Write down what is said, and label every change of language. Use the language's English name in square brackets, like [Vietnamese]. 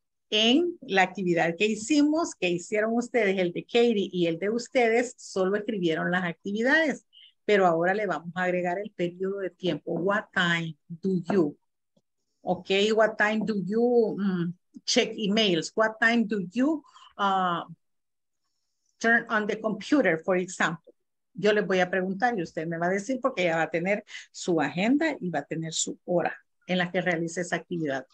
[Spanish] En la actividad que hicimos, que hicieron ustedes, el de Katie y el de ustedes, solo escribieron las actividades, pero ahora le vamos a agregar el periodo de tiempo. [English] What time do you, okay, what time do you check emails? What time do you turn on the computer, for example? [Spanish] Yo les voy a preguntar y usted me va a decir porque ya va a tener su agenda y va a tener su hora en la que realice esa actividad.